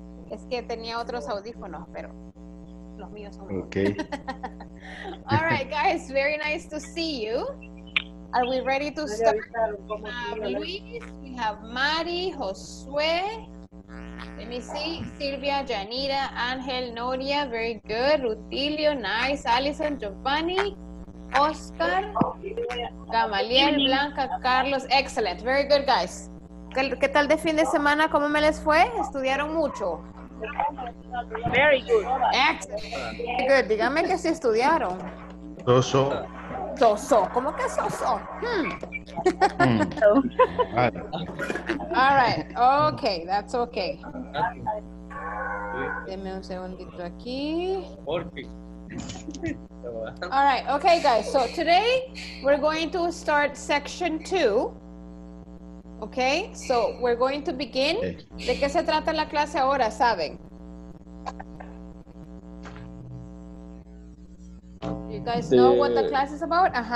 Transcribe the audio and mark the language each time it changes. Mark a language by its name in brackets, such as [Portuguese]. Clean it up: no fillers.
[Spanish] Es que tenía otros audífonos, pero los míos son mejor. [English] Okay. All right, guys, very nice to see you. Are we ready to start? We have Luis, we have Mari, Josué. Let me see. Silvia, Yanira, Ángel, Noria, very good. Rutilio, nice. Allison, Giovanni, Oscar, Gamaliel, Blanca, Carlos. Excellent. Very good, guys. [Spanish] ¿Qué tal de fin de semana? ¿Cómo me les fue? ¿Estudiaron mucho? [English] Very good. Excellent. Very good. [Spanish] Dígame que sí estudiaron. [English] Soso. Soso. [Spanish] ¿Cómo que soso? [English] All right, okay, that's okay. [Spanish] Deme un segundito aquí. [English] All right, okay, guys. So today we're going to start section two. Okay, so we're going to begin. [Spanish] ¿De qué se trata la clase ahora, saben? [English] You guys know what the class is about?